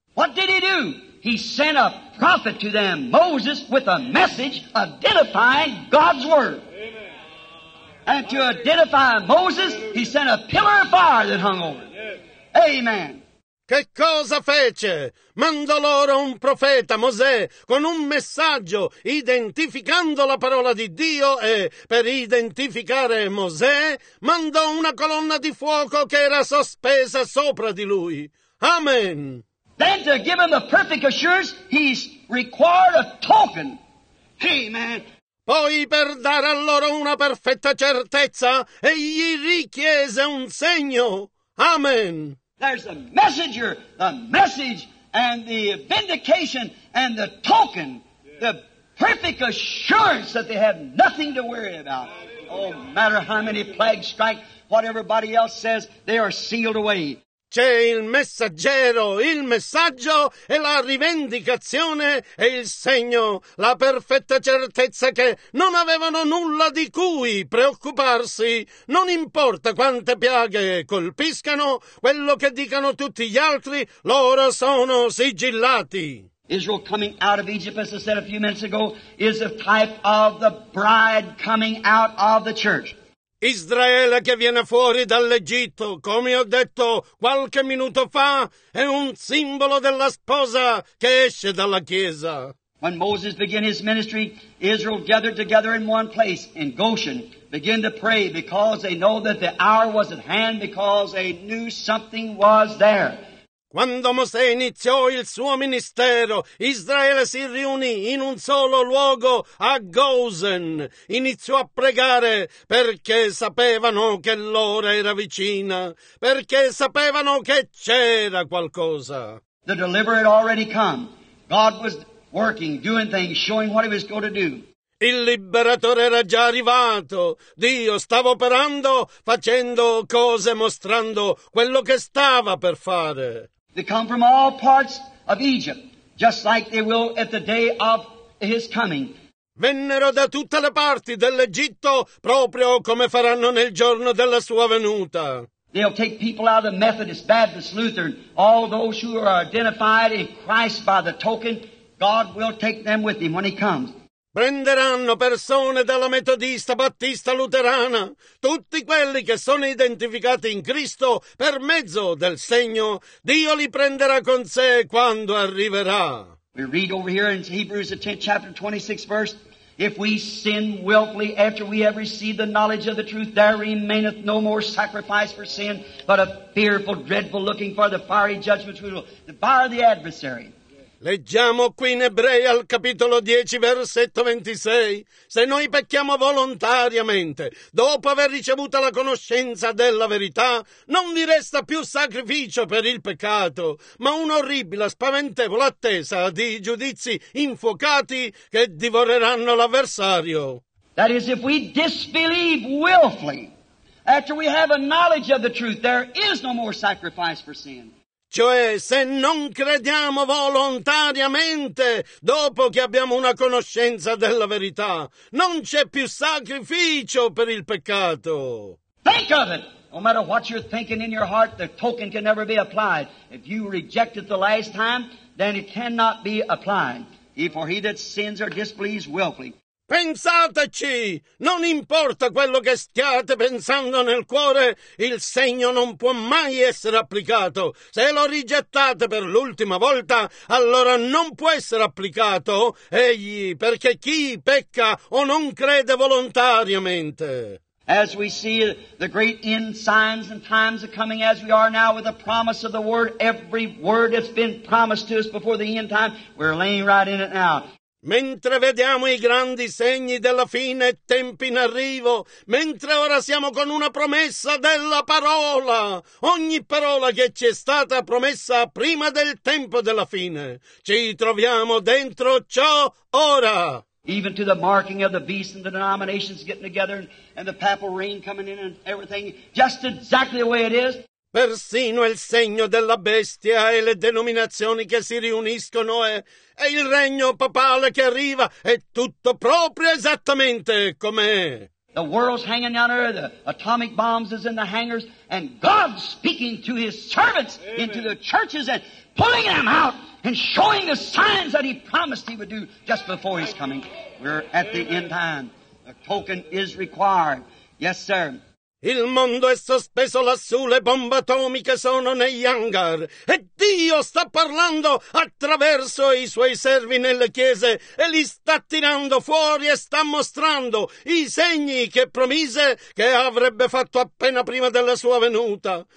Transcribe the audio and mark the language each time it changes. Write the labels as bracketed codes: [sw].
[en] What did he do? He sent a prophet to them, Moses, with a message identifying God's word. And to identify Moses, he sent a pillar of fire that hung over. Amen. [it] Che cosa fece? Mandò loro un profeta, Mosè, con un messaggio identificando la parola di Dio e, per identificare Mosè, mandò una colonna di fuoco che era sospesa sopra di lui. Amen. [en] Then to give him the perfect assurance, he's required a token. Amen. [it] Poi per dare a loro una perfetta certezza, egli richiese un segno. Amen. [en] There's the messenger, the message, and the vindication, and the token, the perfect assurance that they have nothing to worry about. Oh, matter how many plagues strike, what everybody else says, they are sealed away. [it] C'è il messaggero, il messaggio e la rivendicazione e il segno, la perfetta certezza che non avevano nulla di cui preoccuparsi. Non importa quante piaghe colpiscano, quello che dicano tutti gli altri, loro sono sigillati. [en] Israel coming out of Egypt, as I said a few minutes ago, is a type of the bride coming out of the church. [it] Israele che viene fuori dall'Egitto, come ho detto qualche minuto fa, è un simbolo della sposa che esce dalla Chiesa. [en] When Moses began his ministry, Israel gathered together in one place, in Goshen, began to pray because they know that the hour was at hand because they knew something was there. [it] Quando Mosè iniziò il suo ministero, Israele si riunì in un solo luogo a Gosen. Iniziò a pregare perché sapevano che l'ora era vicina, perché sapevano che c'era qualcosa. [en] The deliverer had already come. God was working, doing things, showing what he was going to do. [it] Il liberatore era già arrivato. Dio stava operando, facendo cose, mostrando quello che stava per fare. [en] They come from all parts of Egypt, just like they will at the day of his coming. [it] Vennero da tutte le parti dell'Egitto, proprio come faranno nel giorno della sua venuta. [en] They'll take people out of the Methodist, Baptist, Lutheran, all those who are identified in Christ by the token, God will take them with him when he comes. [it] Prenderanno persone dalla metodista, battista, luterana, tutti quelli che sono identificati in Cristo per mezzo del segno, Dio li prenderà con sé quando arriverà. [en] We read over here in Hebrews the 10th chapter 26th verse, if we sin willfully after we have received the knowledge of the truth, there remaineth no more sacrifice for sin, but a fearful, dreadful looking for the fiery judgment which will devour the adversary. [it] Leggiamo qui in Ebrei al capitolo 10, versetto 26. Se noi pecchiamo volontariamente, dopo aver ricevuto la conoscenza della verità, non vi resta più sacrificio per il peccato, ma un'orribile, spaventevole attesa di giudizi infuocati che divoreranno l'avversario. [en] That is, if we disbelieve willfully, after we have a knowledge of the truth, there is no more sacrifice for sin. [it] Cioè, se non crediamo volontariamente, dopo che abbiamo una conoscenza della verità, non c'è più sacrificio per il peccato. [en] Think of it! No matter what you're thinking in your heart, the token can never be applied. If you reject it the last time, then it cannot be applied. For he that sins or disbelieves willfully. [it] Pensateci! Non importa quello che stiate pensando nel cuore, il segno non può mai essere applicato. Se lo rigettate per l'ultima volta, allora non può essere applicato, egli, perché chi pecca o non crede volontariamente. [en] As we see the great end signs and times are coming as we are now with the promise of the word, every word that's been promised to us before the end time, we're laying right in it now. [it] Mentre vediamo i grandi segni della fine e tempi in arrivo, mentre ora siamo con una promessa della parola, ogni parola che ci è stata promessa prima del tempo della fine, ci troviamo dentro ciò ora. [en] Even to the marking of the beast and the denominations getting together and the papal reign coming in and everything, just exactly the way it is. [it] Persino il segno della bestia e le denominazioni che si riuniscono e il regno papale che arriva è tutto proprio esattamente com'è. [en] The world's hanging down there, the atomic bombs is in the hangars, and God's speaking to his servants, Amen. Into the churches and pulling them out and showing the signs that he promised he would do just before his coming. We're at the end time. A token is required. Yes, sir. [it] Il mondo è sospeso lassù, le bombe atomiche sono negli hangar e Dio sta parlando attraverso i suoi servi nelle chiese e li sta tirando fuori e sta mostrando i segni che promise che avrebbe fatto appena prima della sua venuta.